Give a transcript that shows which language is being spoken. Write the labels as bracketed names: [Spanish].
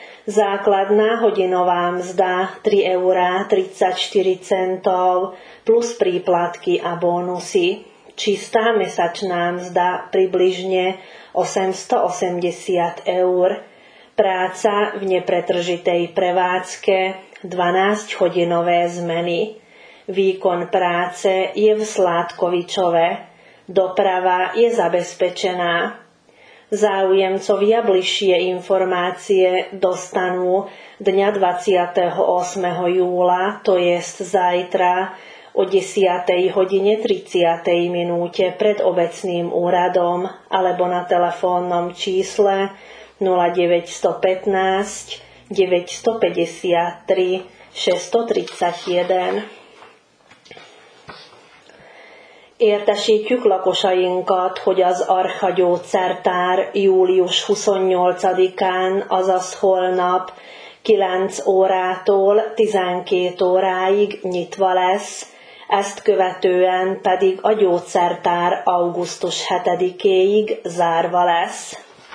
[Slovak] Základná hodinová mzda 3,34 € plus príplatky a bónusy. Čistá mesačná mzda približne 880 €. Práca v nepretržitej prevádzke 12-hodinové zmeny. Výkon práce je v Sládkovičove. Doprava je zabezpečená. Záujemcovia bližšie informácie dostanú dňa 28. júla, to jest zajtra, o 10:30 pred obecným úradom alebo na telefónnom čísle 0915 953 631. [Hungarian] Értesítjük lakosainkat, hogy az Archa gyógyszertár július 28-án, azaz holnap 9 órától 12 óráig nyitva lesz, ezt követően pedig a gyógyszertár augusztus 7-éig zárva lesz.